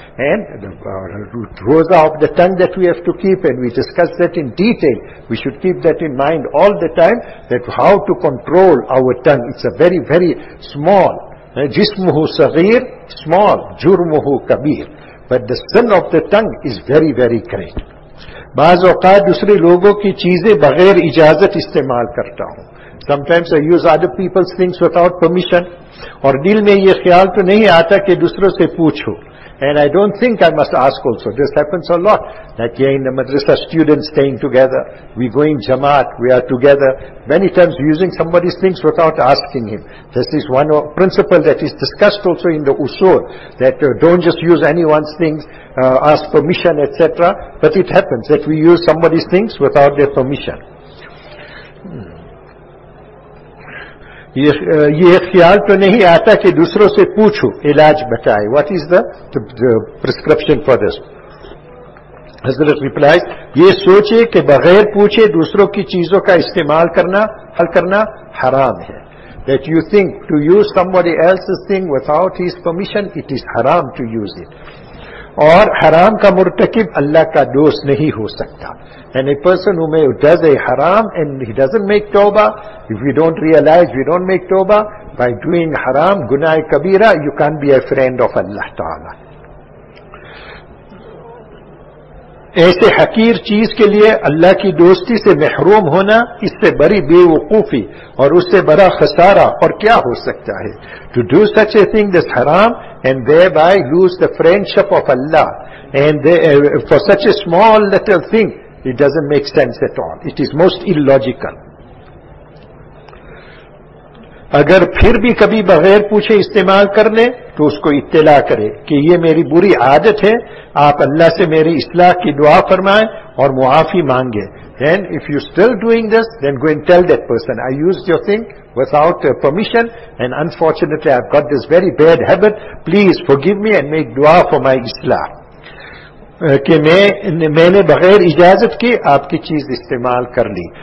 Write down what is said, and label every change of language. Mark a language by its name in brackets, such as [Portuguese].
[English] And the roza of the tongue that we have to keep, and we discussed that in detail. We should keep that in mind all the time, that how to control our tongue. It's a very, very small. [Arabic] Jismuhu sagheer, [English] small. [Arabic] Jurmuhu kabir. [English] But the sin of the tongue is very, very great. [Urdu] بعض اوقات دوسرے لوگوں کی چیزیں بغیر اجازت استعمال کرتا ہوں. [English] Sometimes I use other people's things without permission. [Urdu] اور دل میں یہ خیال تو نہیں آتا کہ دوسروں سے پوچھو. [English] And I don't think I must ask also. This happens a lot. Like here in the madrasa, students staying together. We go in jamaat, we are together. Many times using somebody's things without asking him. This is one principle that is discussed also in the usul. That don't just use anyone's things, ask permission, etc. But it happens that we use somebody's things without their permission. [Urdu] یہ خیال تو نہیں آتا کہ دوسروں سے پوچھو علاج بتائے. [English] What is the prescription for this? [Urdu] حضرت replies, یہ سوچے کہ بغیر پوچھے دوسروں کی چیزوں کا استعمال کرنا حل کرنا حرام ہے. [English] That you think to use somebody else's thing without his permission, it is haram to use it. [Urdu] اور حرام کا مرتکب اللہ کا دوست نہیں ہو سکتا. [English] And a person who does a haram and he doesn't make tawbah, if we don't realize, we don't make tawbah, by doing haram, gunai kabira, you can't be a friend of Allah Ta'ala. [Urdu] ایسے حقیر چیز کے لیے اللہ کی دوستی سے محروم ہونا اس سے بڑی بے وقوفی اور اس سے بڑا خسارہ اور کیا ہو سکتا ہے. [English] To do such a thing that's haram and thereby lose the friendship of Allah and for such a small little thing, it doesn't make sense at all. It is most illogical. [Urdu] اگر پھر بھی کبھی بغیر پوچھے استعمال کر لے تو اس کو اطلاع کرے کہ یہ میری بری عادت ہے, آپ اللہ سے میری اصلاح کی دعا فرمائیں اور معافی مانگے. [English] Then if you're still doing this, then go and tell that person, I used your thing without permission and unfortunately I've got this very bad habit, please forgive me and make dua for my islah. [Urdu] کہ میں نے بغیر اجازت کی آپ کی چیز استعمال کر لی.